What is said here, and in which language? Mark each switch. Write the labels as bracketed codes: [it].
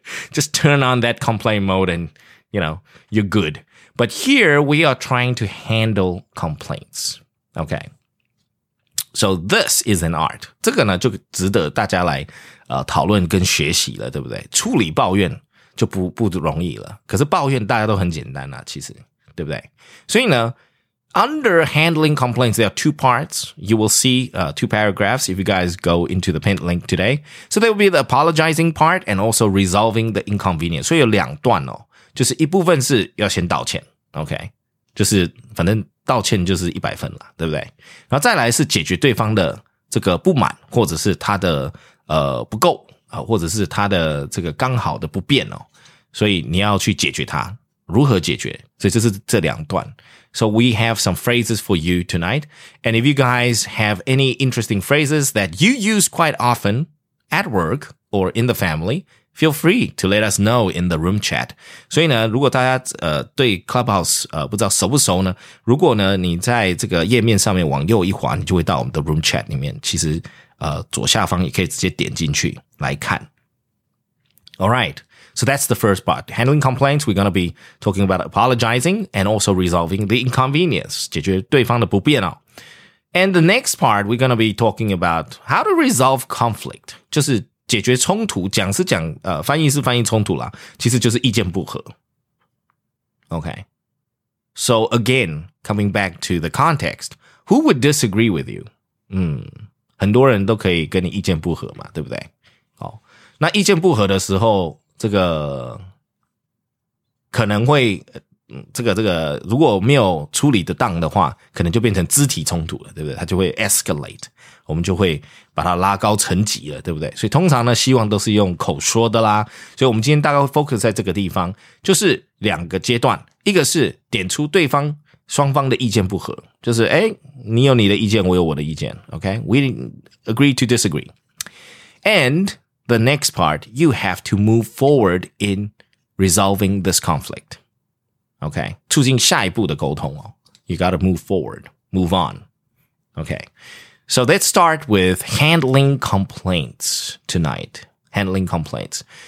[en] Just turn on that complain mode and, you know, you're good. But here we are trying to handle complaints. Okay. So this is an art. [zh] 这个呢就值得大家来讨论跟学习了，对不对？处理抱怨就不容易了。可是抱怨大家都很简单啊，其实，对不对？所以呢 [en] ,under handling complaints, there are two parts. You will see two paragraphs if you guys go into the pinned link today. So there will be the apologizing part and also resolving the inconvenience. [zh] 所以有两段哦，就是一部分是要先道歉 ,okay? 就是反正道歉就是100分了，对不对？然后再来是解决对方的这个不满，或者是他的不够或者是他的这个刚好的不便哦。所以你要去解决他，如何解决？所以这是这两段。 [en] So we have some phrases for you tonight. And if you guys have any interesting phrases that you use quite often at work or in the family,Feel free to let us know in the room chat. [zh] 所以呢，如果大家对 Clubhouse 不知道熟不熟呢，如果呢你在这个页面上面往右一滑，你就会到我们的 room chat 里面。其实左下方也可以直接点进去来看。 [en] All right, so that's the first part. Handling complaints, we're going to be talking about apologizing and also resolving the inconvenience. [zh] 解决对方的不便哦。 [en] And the next part, we're going to be talking about how to resolve conflict. [zh] 就是解决冲突，讲是讲翻译是翻译冲突啦，其实就是意见不合。 [en] Okay. So again, coming back to the context, who would disagree with you? [zh] 很多人都可以跟你意见不合嘛，对不对？好，那意见不合的时候，这个可能会这个如果没有处理得当的话，可能就变成肢体冲突了，对不对？它就会 escalate。我们就会把它拉高层级了，对不对？所以通常呢，希望都是用口说的啦。所以我们今天大概会 focus 在这个地方，就是两个阶段，一个是点出对方双方的意见不合，就是诶，你有你的意见，我有我的意见 ，OK? [en] We agree to disagree. And the next part, you have to move forward in resolving this conflict. OK? [zh] 促进下一步的沟通哦。 [en] You got to move forward, move on. OK? So let's start with handling complaints tonight. Handling complaints.